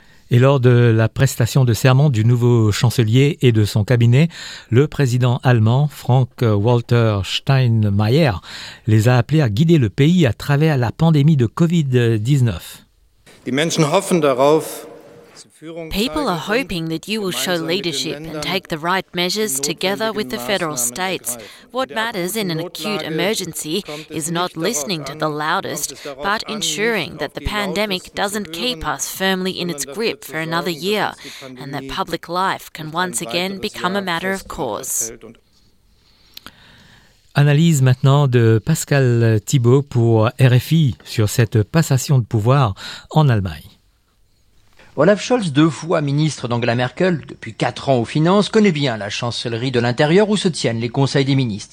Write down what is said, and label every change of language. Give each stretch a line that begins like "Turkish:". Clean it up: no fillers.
French: Et lors de la prestation de serment du nouveau chancelier et de son cabinet, le président allemand, Frank-Walter Steinmeier, les a appelés à guider le pays à travers la pandémie de Covid-19.
German: Die Menschen hoffen darauf.
English: People are hoping that you will show leadership and take the right measures together with the federal states. What matters in an acute emergency is not listening to the loudest, but ensuring that the pandemic doesn't keep us firmly in its grip for another year and that public life can once again become a matter of course.
French: Analyse maintenant de Pascal Thibault pour RFI sur cette passation de pouvoir en Allemagne. Olaf Scholz, deux fois ministre d'Angela Merkel, depuis 4 ans aux finances, connaît bien la chancellerie de l'intérieur où se tiennent les conseils des ministres.